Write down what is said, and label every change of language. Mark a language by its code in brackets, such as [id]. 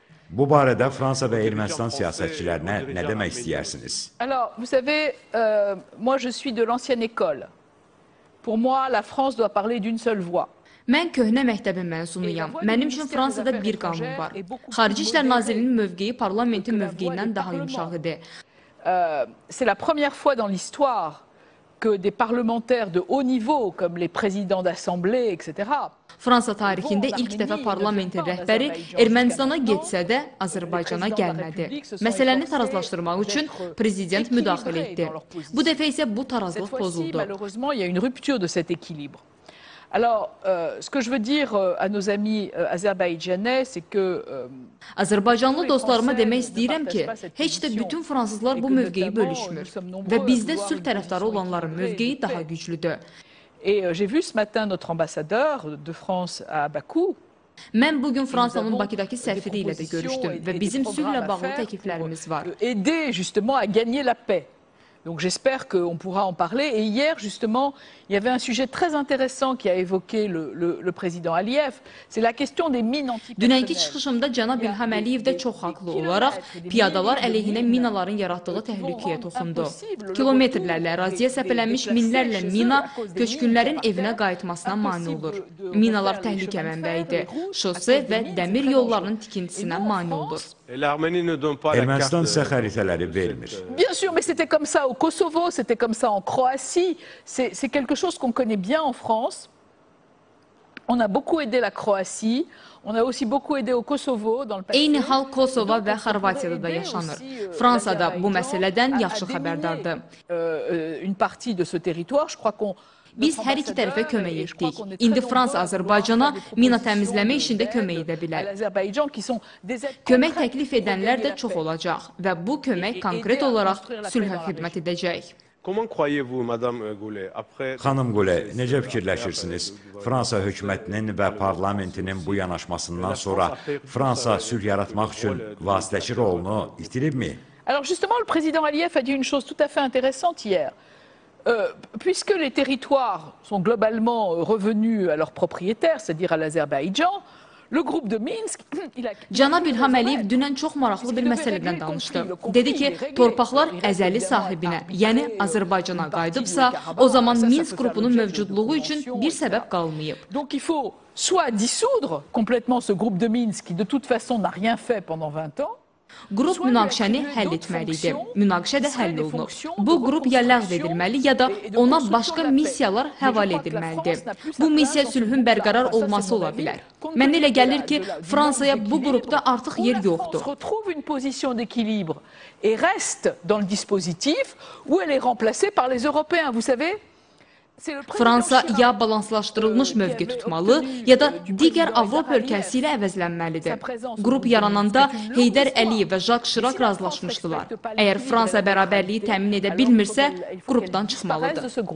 [az] Bu barədə Fransa və Ermənistan siyasətçilərinə nə demək istəyirsiniz? [fr] Alors, vous savez, moi je suis de l'ancienne école. Pour moi, la France doit parler d'une seule voix. [az] Mən köhnə məktəbin mənsunuyam. Mənim üçün Fransada bir qanun var. Xarici İşlər Nazirliyinin mövqeyi parlamentin mövqeyindən daha yumşaq idi. [fr] C'est la première fois dans l'histoire que des parlementaires de haut niveau comme les présidents d'assemblée etc. [az] Fransa tarixində ilk dəfə parlamentin rəhbəri Ermənistana getsə də Azərbaycana gəlmədi. Məsələni tarazlaşdırmaq üçün prezident müdaxilə etdi. Bu dəfə isə bu tarazlıq pozuldu. [fr] Malheureusement, il y a une rupture de cet équilibre. Alors, ce que je veux dire à nos amis azerbaïdjanais, c'est que [az] Azərbaycanlı dostlarıma demək istəyirəm ki, heç də bütün fransızlar bu mövqeyi bölüşmür və bizdə sülh tərəfdarı olanların mövqeyi daha güclüdür. [fr] Et j'ai vu ce matin notre ambassadeur de France à Bakou. [az] Mən bugün Fransanın Bakıdakı səfiri ilə də görüşdüm və bizim sülhlə bağlı təkliflərimiz var. [fr] Aider justement à gagner la paix. Donc j'espère qu'on pourra en parler. Et hier, justement, il y avait un sujet très intéressant qui a évoqué le président Aliyev. C'est la question des mines antipersonnelles. [az] Dünənki çıxışımda cənab İlham Əliyev də çox haqlı olaraq piyadalar əleyhinə minaların yaratdığı təhlükəyə toxundu. Kilometrlərlə əraziyə səpələnmiş minlərlə mina köçkünlərin evinə qayıtmasına mani olur. Minalar təhlükə mənbəyidir. Şose və dəmir yollarının tikintisinə mani olur. Ermənistan isə xəritələri vermir. [fr] Bien sûr, mais c'était comme ça au Kosovo, c'était comme ça en Croatie. C'est quelque chose qu'on connaît bien en France. On a beaucoup aidé la Croatie. On a aussi beaucoup aidé au Kosovo dans le passé. [az] Eyni hal Kosova və Xorvatiyada da yaşanır. Fransa da bu məsələdən yaxşı xəbərdardır. [fr] Une partie de ce territoire, je crois qu'on [az] Biz hər iki tərəfə kömək etdik. İndi Fransa Azərbaycana mina təmizləmə işində kömək edə bilər. Kömək təklif edənlər də çox olacaq və bu kömək konkret olaraq sülhə xidmət edəcək. Xanım Gule, necə fikirləşirsiniz? Fransa hökumətinin və parlamentinin bu yanaşmasından sonra Fransa sülh yaratmaq üçün vasitəçi rolunu itiribmi? [fr] Alors justement, le président Aliyev a dit une chose tout à fait intéressante hier. Puisque les territoires sont globalement revenus à leurs propriétaires, c'est-à-dire à l'Azerbaïdjan, le groupe de Minsk, il a [az] Cənab İlham Əliyev dünən çox maraqlı bir məsələdən danışdı. Dedi ki, torpaqlar əzəli sahibinə, yəni Azərbaycana qayıdıbsa, o zaman Minsk qrupunun mövcudluğu üçün bir səbəb qalmayıb. [fr] Donc il faut soit dissoudre complètement ce groupe de Minsk qui de toute façon n'a rien fait pendant 20 ans. [az] Qrup münaqişəni həll etməliydi. Münaqişə də həll olunub. Bu qrup ya ləğv edilməli, ya da ona başqa missiyalar həval edilməlidir. Bu missiya sülhün bərqərar olması ola bilər. Mənə elə gəlir ki, Fransaya bu qrupda artıq yer yoxdur. [fr] Fransa retrouve une position d'équilibre et reste dans le dispositif où elle est remplacée par les Européens, vous savez? [az] Fransa ya balanslaşdırılmış mövqe tutmalı, ya da digər Avropa ölkəsi ilə əvəzlənməlidir. Qrup yarananda Heydər Əliyev və Jak Şirak razılaşmışdılar. Əgər Fransa bərabərliyi təmin edə bilmirsə, qrupdan çıxmalıdır.